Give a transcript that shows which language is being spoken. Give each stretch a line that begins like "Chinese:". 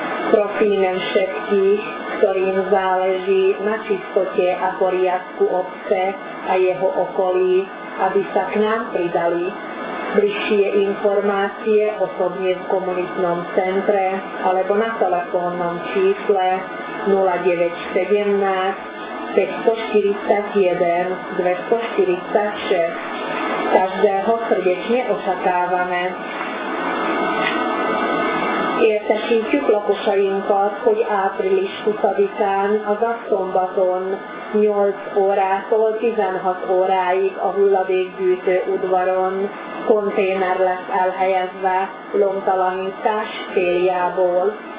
Slovak: Prosíme všetkých, ktorým záleží na čistote a poriadku obce a jeho okolí, aby sa k nám pridali. Bližšie informácie osobne v komunitnom centre alebo na telefónnom čísle 0917 541 246. Každého srdečne očakávame.
Hungarian: Értesítjük lakosainkat, hogy április 20-án, azaz szombaton 8 órától 16 óráig a hulladékgyűjtő udvaron konténer lesz elhelyezve lomtalanítás céljából.